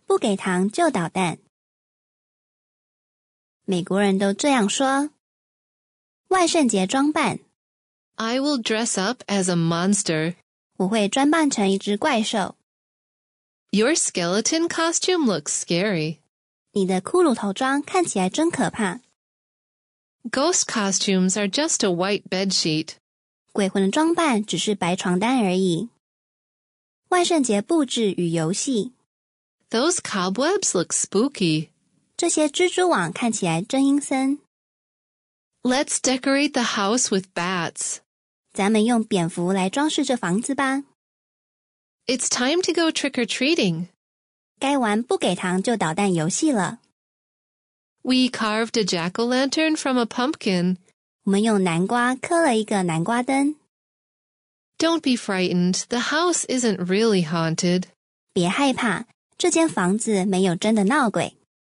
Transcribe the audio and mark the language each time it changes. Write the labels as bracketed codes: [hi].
[zh] 不给糖就捣蛋。美国人都这样说。万圣节装扮。 [en] I will dress up as a monster. [zh] 我会装扮成一只怪兽。 [en] Your skeleton costume looks scary. [zh] 你的骷髅头装看起来真可怕。 [en] Ghost costumes are just a white bedsheet. [zh] 鬼魂的装扮只是白床单而已。万圣节布置与游戏。 [en] Those cobwebs look spooky. [zh] 这些蜘蛛网看起来真阴森。 [en] Let's decorate the house with bats. [zh] 咱们用蝙蝠来装饰这房子吧。 [en] It's time to go trick-or-treating. [zh] 该玩不给糖就捣蛋游戏了。 [en] We carved a jack-o'-lantern from a pumpkin. [zh] 我们用南瓜刻了一个南瓜灯。 [en] Don't be frightened, the house isn't really haunted. [zh] 别害怕，这间房子没有真的闹鬼。